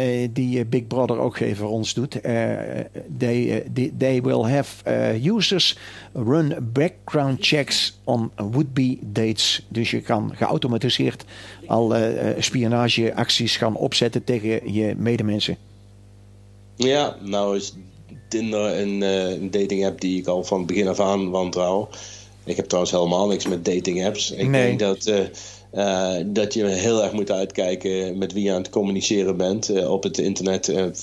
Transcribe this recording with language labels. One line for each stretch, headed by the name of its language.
Dutch: Die Big Brother ook voor ons doet.
English: They will have users run background checks on would-be dates.
Dutch: Dus je kan geautomatiseerd al spionageacties gaan opzetten tegen je medemensen. Ja, nou is Tinder een dating app die ik al van begin af aan wantrouw. Ik heb trouwens helemaal niks met dating apps. Ik denk dat, dat je heel erg moet uitkijken met wie je aan het communiceren bent op het internet.